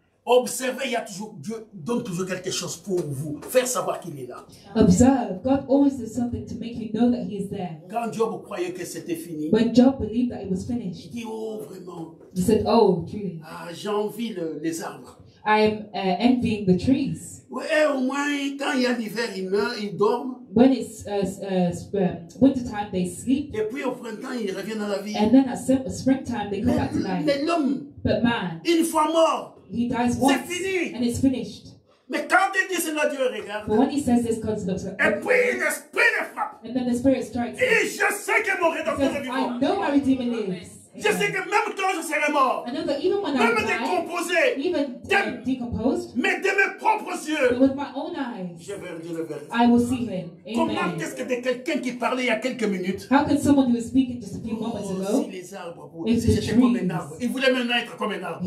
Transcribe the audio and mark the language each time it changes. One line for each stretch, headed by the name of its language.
French: Observez, Dieu donne toujours quelque chose pour vous faire savoir qu'il est là.
English: Observe, God always does something to make you know that He is there.
French: Quand Job croyait que c'était fini,
English: when Job believed that it was finished,
French: il dit oh vraiment.
English: He said oh truly.
French: Ah, j'envie les arbres.
English: I am envying the trees.
French: Ouais, au moins quand il y a l'hiver, ils meurent, ils dorment.
English: When it's winter time, they sleep.
French: Et puis au printemps, ils reviennent à la vie.
English: And then at springtime, they come back to life.
French: Mais l'homme,
English: but man,
French: une fois mort.
English: He dies once,
French: c'est fini.
English: And it's finished.
French: Mais quand il dit cela, Dieu regarde.
English: But when he says this, God looks at.
French: Et puis l'esprit le frappe.
English: And then the spirit strikes.
French: Et je sais que mon rédempteur est vivant.
English: I know my redeemer lives.
French: Je sais que même quand je serai mort, même décomposé, mais de mes propres yeux, je vais dire la vérité. Comment est-ce que quelqu'un qui parlait il y a quelques minutes,
English: how can someone who was speaking just a few moments ago,
French: si les arbres, si j'étais comme un arbre, il voulait maintenant être comme un arbre.